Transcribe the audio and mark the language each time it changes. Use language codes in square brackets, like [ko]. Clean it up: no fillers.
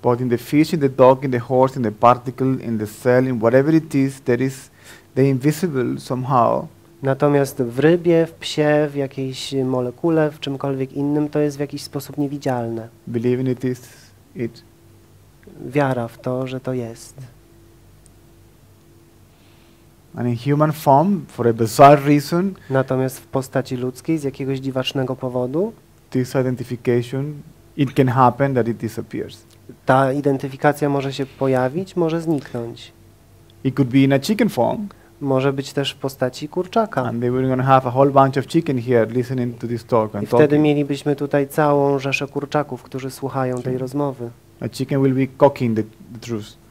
[en] But in the fish, in the dog, in the horse, in the particle, in the cell, in whatever it is, there is the invisible somehow. [pl] Natomiast w rybie, w psie, w jakiejś molekule, w czymkolwiek innym, to jest w jakiś sposób niewidzialne. [en] Believing it is it. [pl] Wiara w to, że to jest. [en] And in human form, for a bizarre reason, [pl] natomiast w postaci ludzkiej, z jakiegoś dziwacznego powodu, [en] this identification, it can happen that it disappears. [pl] Ta identyfikacja może się pojawić, może zniknąć. [en] It could be in a chicken form. [pl] Może być też w postaci kurczaka. [en] And they were gonna have a whole bunch of chicken here listening to this talk. [pl] I wtedy mielibyśmy tutaj całą rzeszę kurczaków, którzy słuchają tej rozmowy. [en] A chicken will be cocking the truth.